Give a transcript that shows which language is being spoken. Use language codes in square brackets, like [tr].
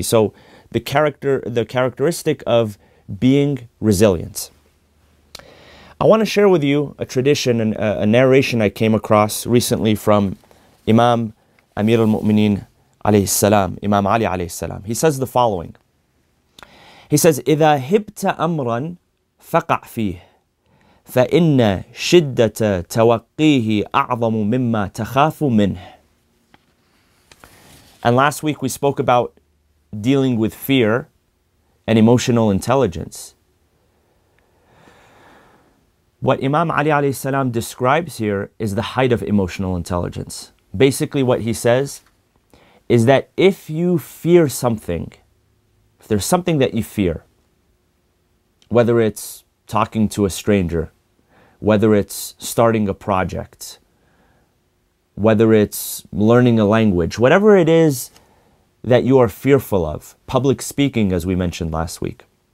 [en] So the characteristic of being resilient. I want to share with you a tradition and a narration I came across recently from Imam Amir al-Mu'mineen alayhi salam, Imam Ali alayhi salam. He says the following. He says, [ar] إِذَا هِبْتَ أَمْرًا فَقَعْ فِيهِ فَإِنَّ شِدَّةَ تَوَقِّيهِ أَعْظَمُ مِمَّا تَخَافُ مِنْهِ. [en] And last week we spoke about dealing with fear and emotional intelligence. What Imam Ali alayhi salam describes here is the height of emotional intelligence. Basically what he says is that if you fear something, if there's something that you fear, whether it's talking to a stranger, whether it's starting a project, whether it's learning a language, whatever it is that you are fearful of, public speaking, as we mentioned last week.